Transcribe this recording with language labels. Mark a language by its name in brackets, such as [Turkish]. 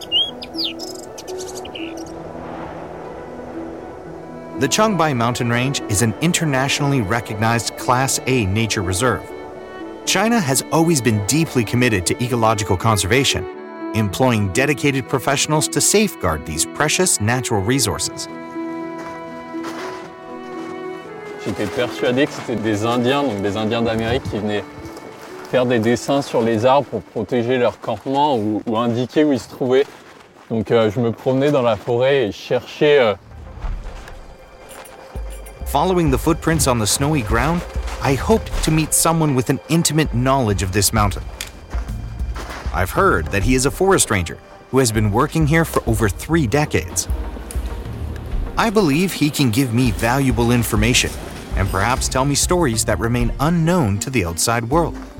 [English] The Changbai Mountain Range is an internationally recognized Class A nature reserve. China has always been deeply committed to ecological conservation, employing dedicated professionals to safeguard these precious natural resources. [French] J'étais persuadé que c'était des Indiens, donc des Indiens d'Amérique, qui venaient faire des dessins sur les arbres pour protéger leur campement ou indiquer où ils se trouvaient. Donc je me promenais dans la forêt et cherchais. [English] Following the footprints on the snowy ground, I hoped to meet someone with an intimate knowledge of this mountain. I've heard that he is a forest ranger who has been working here for over 3 decades. I believe he can give me valuable information and perhaps tell me stories that remain unknown to the outside world.